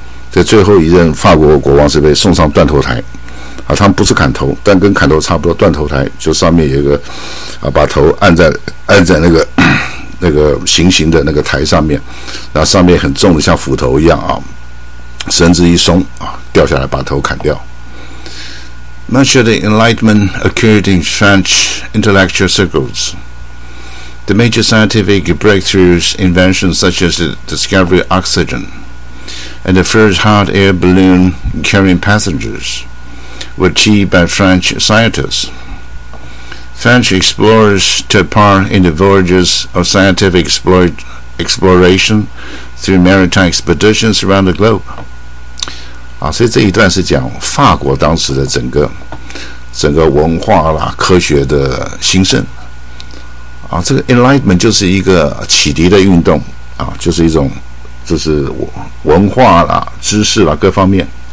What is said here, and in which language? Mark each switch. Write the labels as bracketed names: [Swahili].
[Chinese] 这最后一任法国国王是被送上断头台啊，他们不是砍头，但跟砍头差不多，断头台就上面有一个啊，把头按在那个行刑的那个台上面，那上面很重的像斧头一样啊，绳子一松啊，掉下来把头砍掉。 [English] Much of the Enlightenment occurred in French intellectual circles. The major scientific breakthroughs, inventions such as the discovery of oxygen and the first hot air balloon carrying passengers were achieved by French scientists. French explorers took part in the voyages of scientific exploration through maritime expeditions around the globe. [Chinese] 啊，所以这一段是讲法国当时的整个文化啦、科学的兴盛。啊，这个 Enlightenment 就是一个启迪的运动啊，就是一种就是文化啦、知识啦各方面。